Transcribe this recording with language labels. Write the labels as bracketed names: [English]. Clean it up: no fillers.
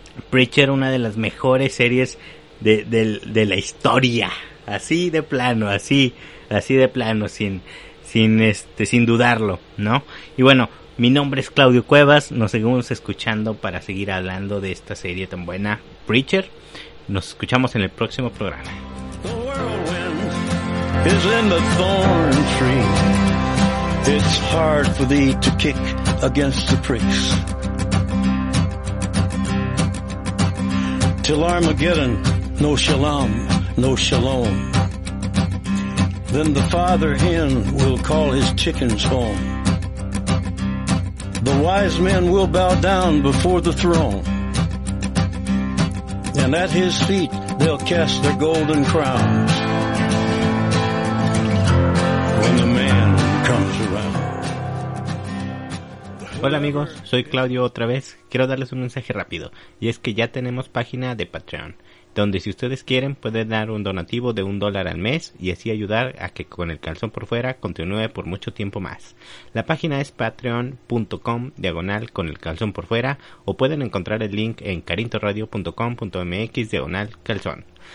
[Spanish] Preacher, una de las mejores series de la historia, así de plano, sin dudarlo, ¿no? Y bueno, mi nombre es Claudio Cuevas, nos seguimos escuchando para seguir hablando de esta serie tan buena, Preacher. Nos escuchamos en el próximo programa. [English] The whirlwind is in the thorn tree. It's hard for thee to kick against the pricks. Till Armageddon, no shalom, no shalom. Then the father hen will call his chickens home. The wise men will bow down before the throne. And at his feet they'll cast their golden crowns. When the man comes around. [Spanish] Hola amigos, soy Claudio otra vez. Quiero darles un mensaje rápido. Y es que ya tenemos página de Patreon, donde si ustedes quieren pueden dar un donativo de $1 al mes y así ayudar a que Con el Calzón por Fuera continúe por mucho tiempo más. La página es patreon.com/conelcalzonporfuera, o pueden encontrar el link en carintoradio.com.mx/calzón.